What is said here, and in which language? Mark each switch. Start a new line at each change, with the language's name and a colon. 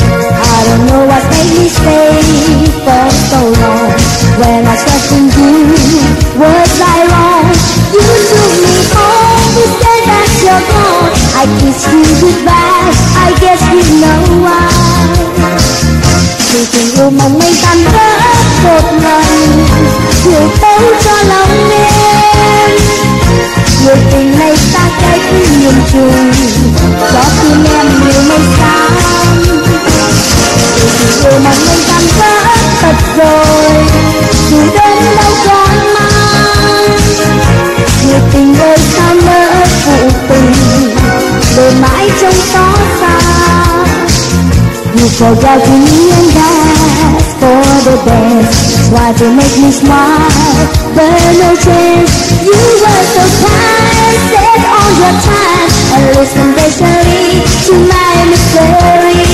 English: I don't know what made me stay for so long. When I questioned you, was I wrong? You took me home, you said that you're gone. I kissed you goodbye, I guess you know why.
Vietnamese: Thì tình yêu mong manh tan vỡ một lần, chiều tối cho lòng em. Người tình này xa cách nhìn chung, gió tim em như mây xám. Thì tình yêu mong manh tan vỡ thật rồi, dù đêm đâu còn mang. Người tình ơi sao nỡ phụ tình, đôi mãi trông xó xa.
English: You so judge me and ask for the best. Try to make me smile, but no chance. You were so kind, set on your time, and listen patiently to my mystery.